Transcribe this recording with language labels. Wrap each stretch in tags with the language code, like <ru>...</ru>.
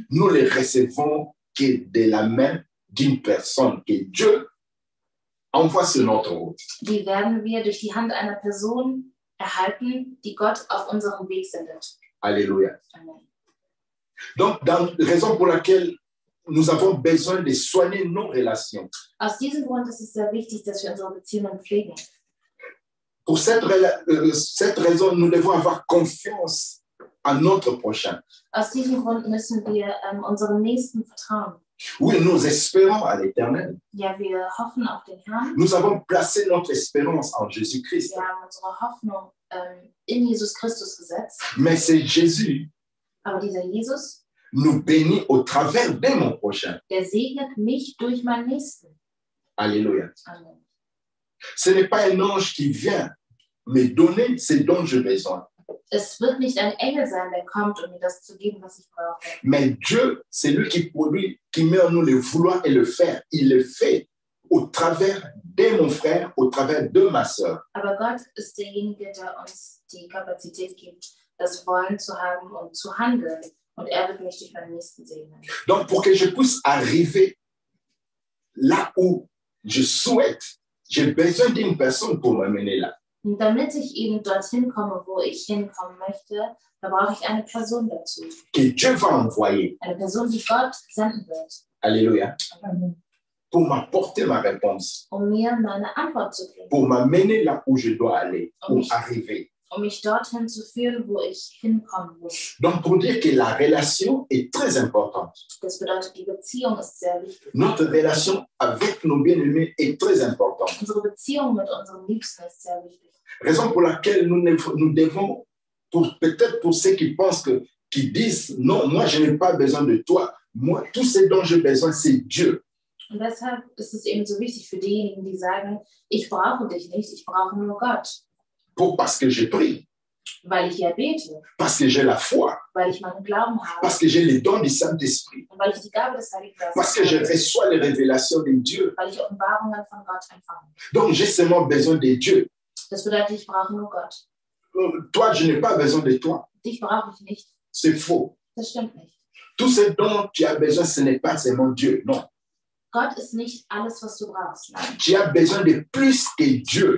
<fr>Nous les recevons que de la main d'une personne que Dieu envoie sur notre route.</fr> <de>Die werden wir durch die Hand einer Person erhalten, die Gott auf unserem Weg sendet. Alléluia. Amen.</de> <fr>Donc, dans raison pour laquelle nous avons besoin de soigner nos relations.</fr> <de>Aus diesem Grund ist es sehr wichtig, dass wir unsere Beziehungen pflegen.</de> <fr>Pour cette raison, nous devons avoir confiance en notre prochain.</fr> <de>Aus diesem Grund müssen wir unserem Nächsten vertrauen.</de> <fr>Oui, nous espérons à l'Éternel.</fr> <de>Ja, wir hoffen auf den Herrn.</de> <fr>Nous avons placé notre espérance en Jésus-Christ.</fr> <de>Wir haben unsere Hoffnung in Jesus Christus gesetzt.</de> <fr>Mais c'est Jésus.</fr> <de>Aber dieser Jesus.</de> <fr>Nous bénit au travers de mon prochain.</fr> <de>Der segnet mich durch meinen Nächsten. Alléluia. Amen.</de> <fr>Ce n'est pas un ange qui vient me donner ce dont j'ai besoin.</fr> <de>Es wird nicht ein Engel sein, der kommt, um mir das zu geben, was ich brauche.</de> <fr>Mais Dieu, c'est lui qui produit, qui met en nous le vouloir et le faire. Il le fait au travers de mon frère, au travers de ma sœur.</fr> <de>Aber Gott ist derjenige, der uns die Kapazität gibt, das Wollen zu haben und zu handeln. Und er wird mich durch meinen Nächsten segnen.</de> <fr>Donc, pour que je puisse arriver là où je souhaite, j'ai besoin d'une personne pour m'amener là.</fr> <de>Damit ich eben dorthin komme, wo ich hinkommen möchte, da brauche ich eine Person dazu.</de> <fr>Que Dieu va envoyer.</fr> <de>Eine Person, die Gott senden wird. Alléluia.</de> <fr>Pour m'apporter ma réponse.</fr> <de>Um mir meine Antwort zu geben.</de> <fr>Pour m'amener là où je dois aller, pour arriver.</fr> <de>Um mich dorthin zu führen, wo ich hinkommen muss.</de> <fr>Donc pour dire que la relation est très importante.</fr> <de>Das bedeutet, die Beziehung ist sehr wichtig.</de> <fr>Notre relation avec nos bien-aimés est très importante.</fr> <de>Unsere Beziehung mit unseren Liebsten ist sehr wichtig.</de> <fr>Raison pour laquelle nous devons, peut-être pour ceux qui pensent que, qui disent non, moi je n'ai pas besoin de toi, moi tout ce dont j'ai besoin c'est Dieu.</fr> <de>Und deshalb ist es eben so wichtig für diejenigen, die sagen, ich brauche dich nicht, ich brauche nur Gott.</de> <fr>Parce que je prie.</fr> <de>Weil ich ja bete.</de> <fr>Parce que j'ai la foi.</fr> <de>Weil ich meinen Glauben habe.</de> <fr>Parce que j'ai les dons du Saint-Esprit.</fr> <de>Und weil ich die Gabe des Heiligen Geistes habe.</de> <fr>Parce que je reçois les révélations de Dieu.</fr> <de>Weil ich Offenbarungen von Gott empfange.</de> <fr>Donc j'ai seulement besoin de Dieu.</fr> <de>Das bedeutet, ich brauche nur Gott.</de> <fr>Toi, je n'ai pas besoin de toi.</fr> <de>Dich brauche ich nicht.</de> <fr>C'est faux.</fr> <de>Das stimmt nicht.</de> <fr>Tout ce dont tu as besoin, ce n'est pas seulement Dieu, non.</fr> <de>Gott ist nicht alles, was du brauchst. Nein.</de> <fr>Tu as besoin de plus que Dieu.</fr>